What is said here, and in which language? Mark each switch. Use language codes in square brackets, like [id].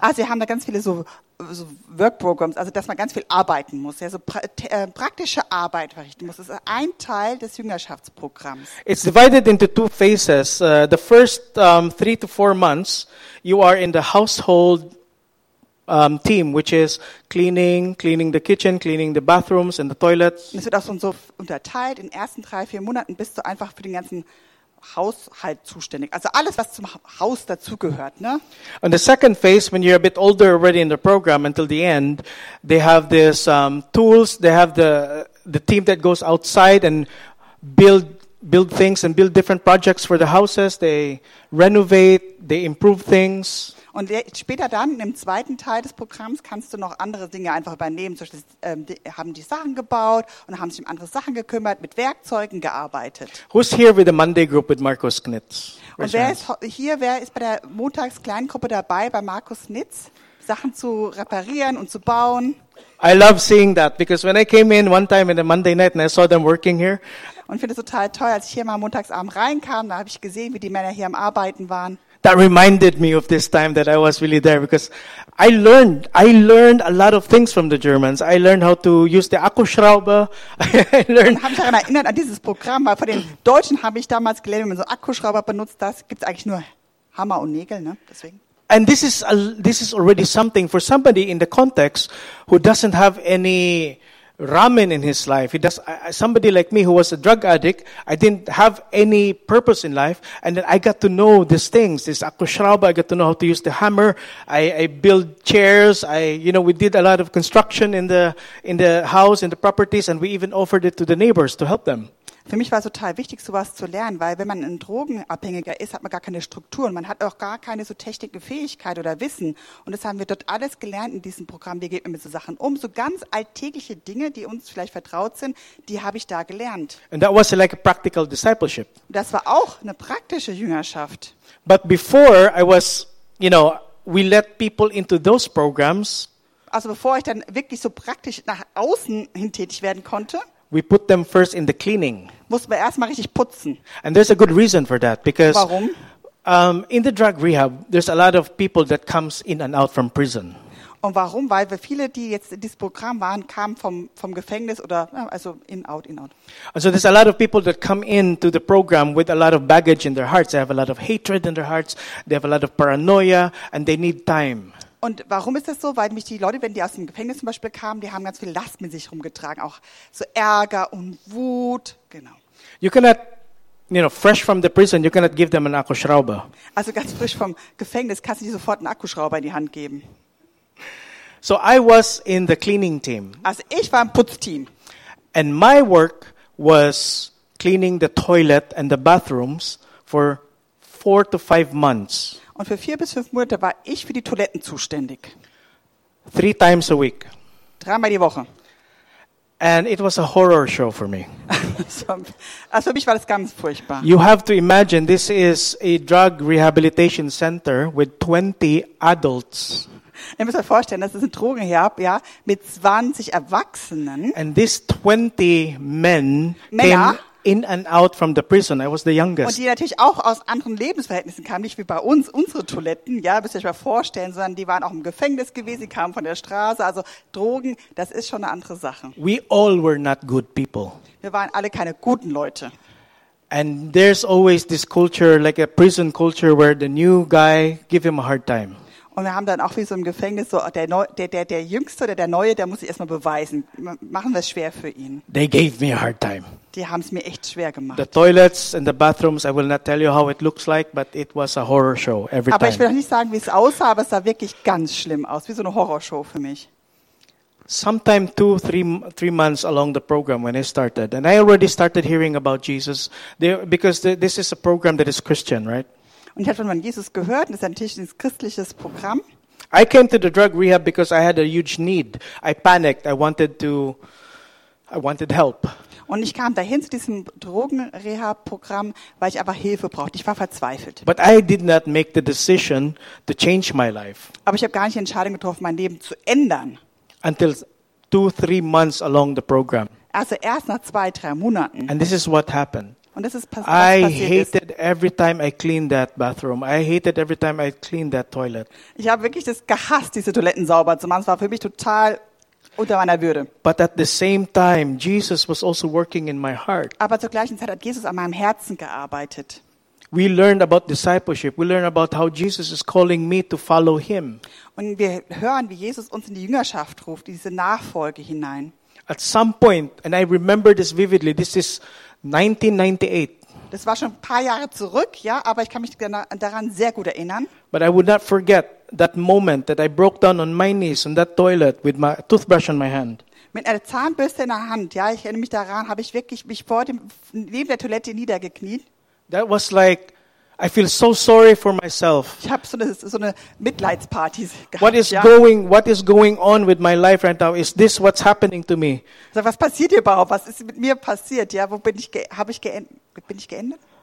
[de] Also wir haben da ganz viele so [en] work programs, [de] also dass man ganz viel arbeiten muss, ja, so praktische Arbeit verrichten muss. Das ist ein Teil des Jüngerschaftsprogramms. [en] It's divided into two phases. The first 3 to 4 months you are in the household team, which is cleaning the kitchen, cleaning the bathrooms and the toilets. [de] Es wird auch so unterteilt. In den ersten 3-4 Monaten bist du einfach für den ganzen Haushalt zuständig. Also alles, was zum Haus dazugehört, ne? [en] And the second phase, when you're a bit older already in the program until the end, they have this tools, they have the team that goes outside and build things and build different projects for the houses. They renovate, they improve things. [de] Und später dann, im zweiten Teil des Programms, kannst du noch andere Dinge einfach übernehmen. Zum Beispiel haben die Sachen gebaut und haben sich um andere Sachen gekümmert, mit Werkzeugen gearbeitet. [en] Who's here with the Monday group with Markus Knitz? [de] Und wer ist bei der Montags-Kleingruppe dabei, bei Markus Knitz? Sachen zu reparieren und zu bauen. [en] I love seeing that because when I came in one time in the Monday night and I saw them working here. [de] Und finde es total toll, als ich hier mal montagsabend reinkam, da habe ich gesehen, wie die Männer hier am Arbeiten waren. [en] That reminded me of this time that I was really there because I learned a lot of things from the Germans. I learned how to use the Akkuschrauber. I learned. [de] Ich habe mich daran erinnert an dieses Programm, weil von den Deutschen habe ich damals gelernt, wie man so Akkuschrauber benutzt. Das gibt's eigentlich nur Hammer und Nägel, ne? Deswegen. [en] And this is already something for somebody in the context who doesn't have any ramen in his life. Somebody like me who was a drug addict, I didn't have any purpose in life, and then I got to know these things. This Akkuschrauber, I got to know how to use the hammer. I build chairs. We did a lot of construction in the house, in the properties, and we even offered it to the neighbors to help them. [de] Für mich war es total wichtig, sowas zu lernen, weil wenn man ein Drogenabhängiger ist, hat man gar keine Strukturen. Man hat auch gar keine so technische Fähigkeit oder Wissen. Und das haben wir dort alles gelernt in diesem Programm. Wie geht man mit so Sachen um? So ganz alltägliche Dinge, die uns vielleicht vertraut sind, die habe ich da gelernt. [en] And that was like a practical discipleship. [de] Das war auch eine praktische Jüngerschaft. [en] But before I was, you know, we let people into those programs. [de] Also bevor ich dann wirklich so praktisch nach außen hin tätig werden konnte. [en] We put them first in the cleaning. [de] Muss man erstmal richtig putzen. [en] And there's a good reason for that because [de] warum? [en] In the drug rehab there's a lot of people that comes in and out from prison. [de] Und warum? Weil wir viele, die jetzt in diesem Programm waren, kamen vom Gefängnis oder also [en] in out. And so there's a lot of people that come in to the program with a lot of baggage in their hearts. They have a lot of hatred in their hearts. They have a lot of paranoia and they need time. [de] Und warum ist das so? Weil mich die Leute, wenn die aus dem Gefängnis zum Beispiel kamen, die haben ganz viel Last mit sich rumgetragen, auch so Ärger und Wut, genau. [en] You cannot, fresh from the prison, you cannot give them an Akkuschrauber. [de] Also ganz frisch vom Gefängnis kannst du dir sofort einen Akkuschrauber in die Hand geben. [en] So I was in the cleaning team. [de] Also ich war im Putzteam. [en] And my work was cleaning the toilet and the bathrooms for 4 to 5 months. [de] Und für 4 bis 5 Monate war ich für die Toiletten zuständig. [en] 3 times a week. [de] 3-mal die Woche. [en] And it was a horror show for me. [de] Also für mich war das ganz furchtbar. [en] You have to imagine, this is a drug rehabilitation center with 20 adults. [de] Ihr müsst euch vorstellen, das ist ein Drogenherb, ja, mit 20 Erwachsenen. [en] And these 20 men [de] Männer. [en] Came in and out from the prison. I was the youngest. [de] Und die natürlich auch aus anderen Lebensverhältnissen kamen, nicht wie bei uns, unsere Toiletten, ja, müsst ihr euch mal vorstellen, sondern die waren auch im Gefängnis gewesen, die kamen von der Straße, also Drogen, das ist schon eine andere Sache. [en] We all were not good people. [de] Wir waren alle keine guten Leute. [en] And there's always this culture, like a prison culture, where the new guy, give him a hard time. [de] Und wir haben dann auch wie so im Gefängnis so der Jüngste oder der Neue, der muss sich erstmal beweisen. Machen wir es schwer für ihn. [en] They gave me a hard time. [de] Die haben es mir echt schwer gemacht. [en] The toilets and the bathrooms, I will not tell you how it looks like, but it was a horror show every [de] aber Aber ich will auch nicht sagen, wie es aussah, aber es sah wirklich ganz schlimm aus, wie so eine Horrorshow für mich. [en] Sometime 2-3 months along the program when it started, and I already started hearing about Jesus, because this is a program that is Christian, right? [de] Und ich habe von Jesus gehört, das ist natürlich ein christliches Programm. [en] I came to the drug rehab because I had a huge need. I panicked. I wanted help. [de] Und ich kam dahin zu diesem Drogenreha-Programm, weil ich einfach Hilfe brauchte. Ich war verzweifelt. [en] But I did not make the decision to change my life. [de] Aber ich habe gar nicht die Entscheidung getroffen, mein Leben zu ändern. [en] Until 2-3 months along the program. [de] Also erst nach 2-3 Monaten. [en] And this is what happened. [de] Und das ist was [en] I hated ist. Every time I cleaned that bathroom. I hated every time I cleaned that toilet. [de] Ich habe wirklich das gehasst, diese Toiletten sauber zu machen. Es war für mich total unter meiner Würde. [en] But at the same time, Jesus was also working in my heart. [de] Aber zur gleichen Zeit hat Jesus an meinem Herzen gearbeitet. [en] We learned about discipleship. We learned about how Jesus is calling me to follow him. [de] Und wir hören, wie Jesus uns in die Jüngerschaft ruft, diese Nachfolge hinein. [en] At some point, and I remember this vividly, this is 1998. [de] Das war schon ein paar Jahre zurück, ja, aber ich kann mich daran sehr gut erinnern. [en] But I would not forget that moment that I broke down on my knees in that toilet with my toothbrush in my hand. [de] Mit einer Zahnbürste in der Hand, ja, ich erinnere mich daran, habe ich wirklich mich vor dem neben der Toilette niedergekniet. [en] That was like I feel so sorry for myself. [de] Ich habe so eine Mitleidsparty gehabt. [en] What is going on with my life right now? Is this what's happening to me? [de] Also, was passiert hier überhaupt? Was ist mit mir passiert? Ja, wo bin ich? Bin ich geändert?